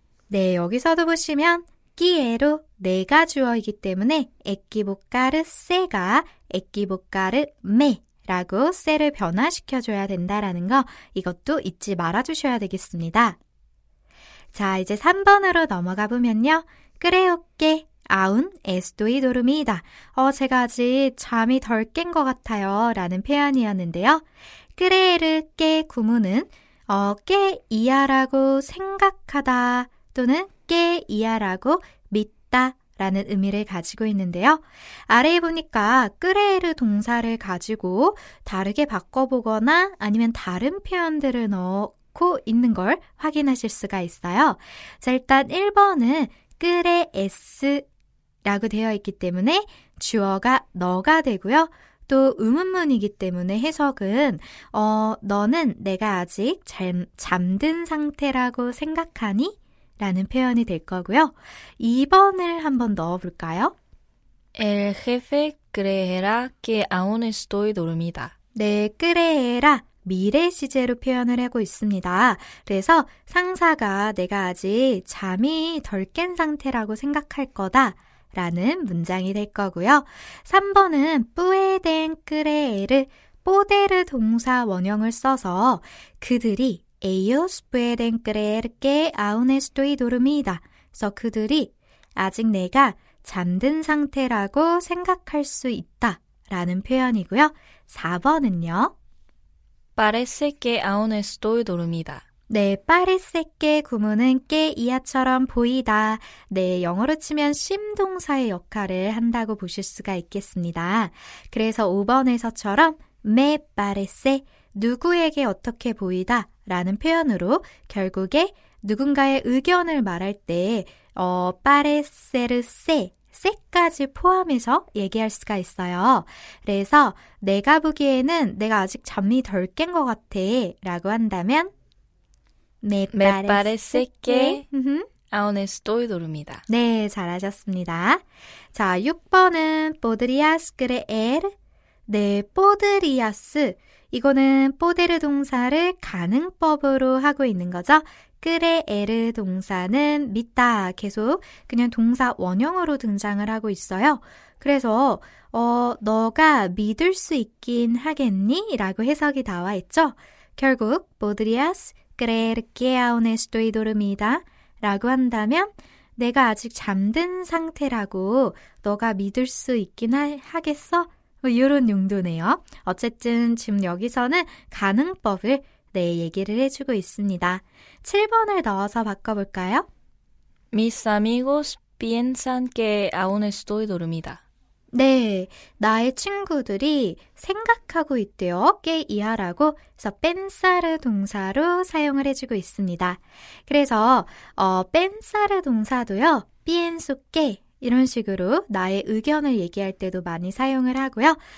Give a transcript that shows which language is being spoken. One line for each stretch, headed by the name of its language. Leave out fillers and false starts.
Korean: 네, 여기서도 보시면 quiero 내가 주어이기 때문에 equivocarse가 equivocarme라고 세를 변화시켜줘야 된다라는 거 이것도 잊지 말아주셔야 되겠습니다. 자, 이제 3번으로 넘어가 보면요.
Spanish: Creo que aún estoy dormida.
Korean: 제가 아직 잠이 덜 깬 것 같아요 라는 표현이었는데요. Creo que 구문은 que 이하라고 생각하다 또는 que 이하라고 믿다 라는 의미를 가지고 있는데요. 아래에 보니까 끄레르 동사를 가지고 다르게 바꿔보거나 아니면 다른 표현들을 넣고 있는 걸 확인하실 수가 있어요. 자, 일단 1번은 끄레에스라고 되어 있기 때문에 주어가 너가 되고요. 또 의문문이기 때문에 해석은 너는 내가 아직 잠든 상태라고 생각하니? 라는 표현이 될 거고요. 2번을 한번 넣어볼까요?
Spanish: El jefe creerá que aún estoy dormida.
Korean: 네, creerá 미래 시제로 표현을 하고 있습니다. 그래서 상사가 내가 아직 잠이 덜 깬 상태라고 생각할 거다 라는 문장이 될 거고요. 3번은 pueden creer, poder 동사 원형을 써서 그들이
Spanish: ellos pueden creer que aún estoy dormida.
Korean: 그래서 그들이 아직 내가 잠든 상태라고 생각할 수 있다 라는 표현이고요. 4번은요.
Spanish: parece que aún estoy dormida.
Korean: 네, parece que 구문은 que 이하처럼 보이다. 네, 영어로 치면 심 동사의 역할을 한다고 보실 수가 있겠습니다. 그래서 5번에서처럼
Spanish: me parece
Korean: 누구에게 어떻게 보이다 라는 표현으로 결국에 누군가의 의견을 말할 때 parecerse, se까지 포함해서 얘기할 수가 있어요. 그래서 내가 보기에는 내가 아직 잠이 덜 깬 것 같아 라고 한다면
Spanish: Me parece que aún estoy dormida.
Korean: 네, 잘하셨습니다. 자, 6번은
Spanish: podrías creer.
Korean: 네, podrías. 이거는 poder 동사를 가능법으로 하고 있는 거죠. creer 동사는 믿다. 계속 그냥 동사 원형으로 등장을 하고 있어요. 그래서 너가 믿을 수 있긴 하겠니? 라고 해석이 나와 있죠. 결국
Spanish: podrías creer que aún estoy dormida
Korean: 라고 한다면 내가 아직 잠든 상태라고 너가 믿을 수 있긴 하겠어? 뭐 이런 용도네요. 어쨌든 지금 여기서는 가능법을 내 얘기를 해주고 있습니다. 7번을 넣어서 바꿔볼까요?
Spanish: Mis amigos piensan que aún estoy dormida.
Korean: 네, 나의 친구들이 생각하고 있대요. 꽤 이하라고 그래서 pensar 동사로 사용을 해주고 있습니다. 그래서 pensar 동사도요. pienso que 이런 식으로 나의 의견을 얘기할 때도 많이 사용을 하고요.